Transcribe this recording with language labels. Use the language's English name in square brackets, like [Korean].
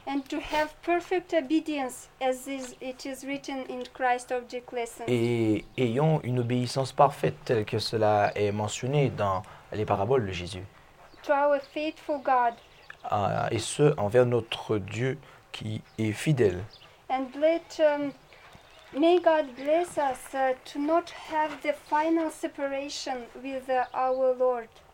[English] And to have perfect obedience, as is, it is written in Christ's object lesson. [French] Et ayons une obéissance parfaite, telle que cela est mentionné dans les paraboles de Jésus. [English] To our faithful God. [French] Et ce envers notre Dieu qui est fidèle. [English] And let may God bless us to not have the final separation with our Lord.